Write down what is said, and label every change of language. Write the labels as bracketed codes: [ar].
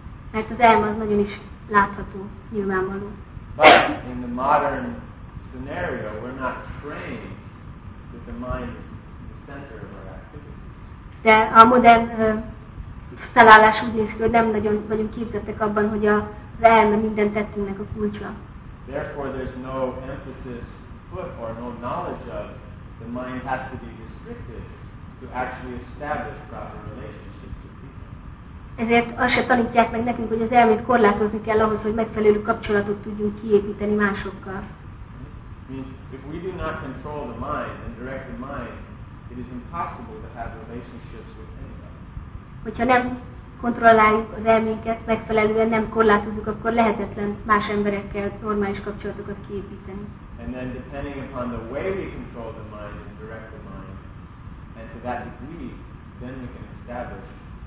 [hu] Mert az elme az nagyon is látható, nyilvánvaló. [en] But in the modern scenario, we're not trained with the mind the center of our activities. [hu] De a modern felállás úgy néz ki, hogy nem nagyon vagyunk képzettek abban, hogy az elme minden tettünknek a kulcsa. [en] Therefore, there's no emphasis put or no knowledge of the mind has to be restricted to actually establish proper relations. [hu] Ezért azt se tanítják meg nekünk, hogy az elmét korlátozni kell ahhoz, hogy megfelelő kapcsolatot tudjunk kiépíteni másokkal. [en] If we do not control the mind and direct the mind, it is impossible to have relationships with anybody. [hu] Hogyha nem kontrolláljuk az elménket, megfelelően nem korlátozunk, akkor lehetetlen más emberekkel normális kapcsolatokat kiépíteni. [en] And then depending upon the way we control the mind and direct the mind, and to that degree, then we can establish.